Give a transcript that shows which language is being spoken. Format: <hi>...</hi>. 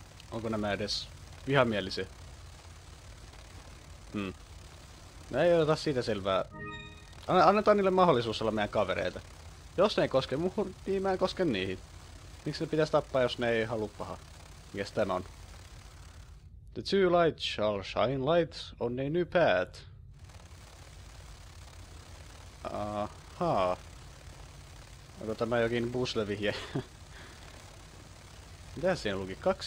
<fi>Onko nämä edes vihamielisiä? No ei oteta siitä selvää. Annetaan niille mahdollisuus olla meidän kavereita. Jos ne ei koske muuhun, niin mä en koske niihin. Miksi ne pitäisi tappaa, jos ne ei halua paha? Mikäs tän on?</fi> <en>The two lights shall shine lights on a new path. Ahaa.</en> <fi>Onko tämä jokin busle-vihje? Mitä siinä luki?</fi>